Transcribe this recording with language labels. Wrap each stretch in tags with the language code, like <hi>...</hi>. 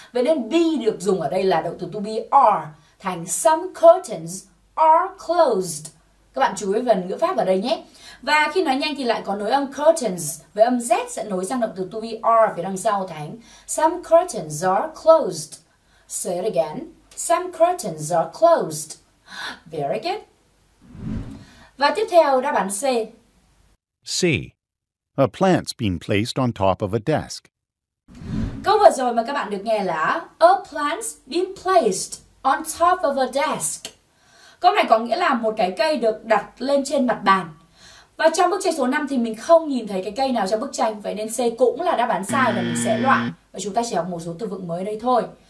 <vi>Vậy nên be được dùng ở đây là động từ to be are thành some curtains are closed. Các bạn chú ý phần ngữ pháp ở đây nhé. Và khi nói nhanh thì lại có nối âm curtains với âm Z sẽ nối sang động từ to be are phía đằng sau thành some curtains are closed.</vi> <en>Say it again. Some curtains are closed.</en> <vi>Very good. Và tiếp theo đáp án C. C.</vi> <en>A plant's been placed on top of a desk.</en> <vi>Câu vừa rồi mà các bạn được nghe là a plant's been placed on top of a desk. Câu này có nghĩa là một cái cây được đặt lên trên mặt bàn. Và trong bức tranh số 5 thì mình không nhìn thấy cái cây nào trong bức tranh. Vậy nên C cũng là đáp án sai và mình sẽ loại. Và chúng ta chỉ học một số từ vựng mới đây thôi.</vi>